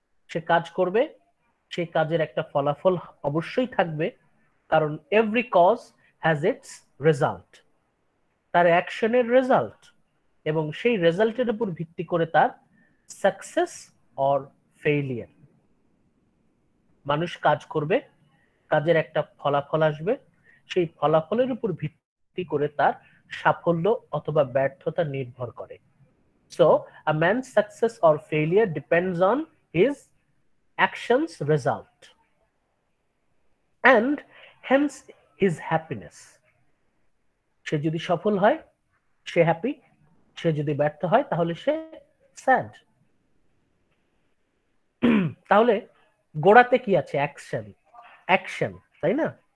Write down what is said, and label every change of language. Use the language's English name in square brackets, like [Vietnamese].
[Bangla] সে কাজ করবে, সে কাজের একটা ফলাফল অবশ্যই থাকবে, কারণ [English] every cause has its result, [Bangla] তার অ্যাকশনের রেজাল্ট, এবং সেই রেজাল্টের উপর ভিত্তি করে তার [English] Success or failure. [Bangla] মানুষ কাজ করবে, কাজের একটা ফলাফল আসবে, সেই ফলাফলের উপর ভিত্তি করে তার সাফল্য অথবা ব্যর্থতা নির্ভর করে। [English] So, a man's success or failure depends on his actions result. And hence his happiness. [Bangla] সে যদি সফল হয় সে হ্যাপি, সে যদি ব্যর্থ হয় তাহলে সে স্যাড। তাহলে গোড়াতে কি আছে? অ্যাকশন, অ্যাকশন, তাই না?